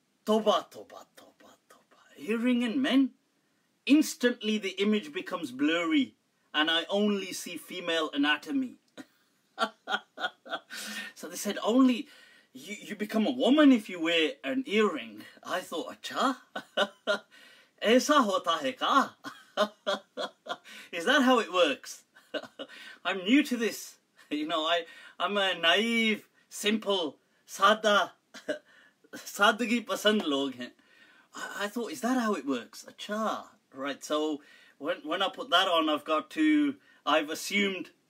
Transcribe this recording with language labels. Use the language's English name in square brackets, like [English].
[English] Toba, toba, toba, toba. Earring in men? Instantly the image becomes blurry and I only see female anatomy. So they said only, you become a woman if you wear an earring. I thought, अच्छा? [Hindi] ऐसा होता है का? [English] Is that how it works? I'm new to this, you know. I'm a naive, simple, sada, [Hindi] sadgi pasand log hain. [English] I thought, is that how it works? Acha, right. So when I put that on, I've assumed.